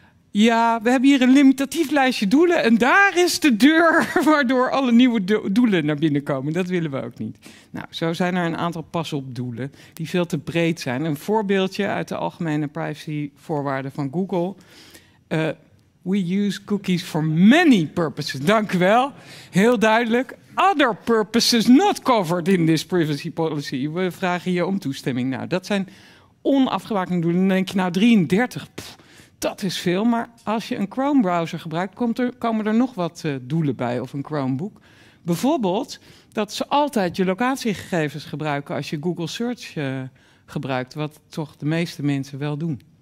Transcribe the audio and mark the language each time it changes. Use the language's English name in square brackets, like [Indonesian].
[Dutch] Ja, we hebben hier een limitatief lijstje doelen en daar is de deur waardoor alle nieuwe doelen naar binnen komen. Dat willen we ook niet. Nou, zo zijn er een aantal pas-op doelen die veel te breed zijn. Een voorbeeldje uit de algemene privacyvoorwaarden van Google. [English] We use cookies for many purposes. [Dutch] Dank u wel. Heel duidelijk. [English] Other purposes not covered in this privacy policy. [Dutch] We vragen hier om toestemming. Nou, dat zijn onafgebakende doelen. Dan denk je, nou, 33... Dat is veel, maar als je een Chrome-browser gebruikt, komen er nog wat doelen bij of een Chromebook. Bijvoorbeeld dat ze altijd je locatiegegevens gebruiken als je Google Search gebruikt, wat toch de meeste mensen wel doen.